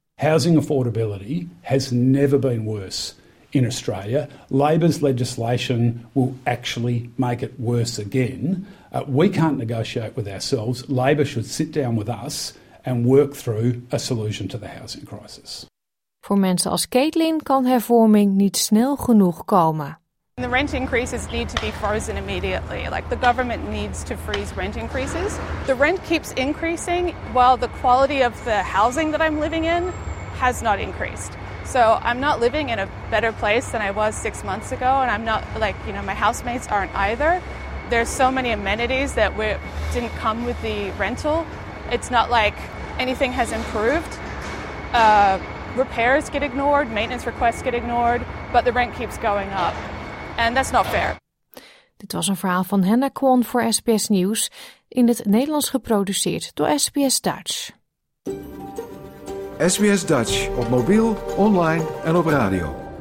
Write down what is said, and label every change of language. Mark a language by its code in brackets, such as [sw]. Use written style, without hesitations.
[en] Housing affordability has never been worse in Australia. Labour's legislation will actually make it worse again. We can't negotiate with ourselves. Labour should sit down with us and work through a solution to the housing crisis. [nl] Voor mensen als Caitlin kan hervorming niet snel genoeg komen. [en] The rent increases need to be frozen immediately. Like, the government needs to freeze rent increases. The rent keeps increasing while the quality of the housing that I'm living in has not increased. So I'm not living in a better place than I was 6 months ago, and I'm not, like, you know, my housemates aren't either. There's so many amenities that didn't come with the rental. It's not like anything has improved. Repairs get ignored, maintenance requests get ignored, but the rent keeps going up. And that's not fair. [nl] Dit was een verhaal van Hannah Kwon voor SBS Nieuws, in het Nederlands geproduceerd door SBS Dutch. SBS Dutch op mobiel, online en op radio.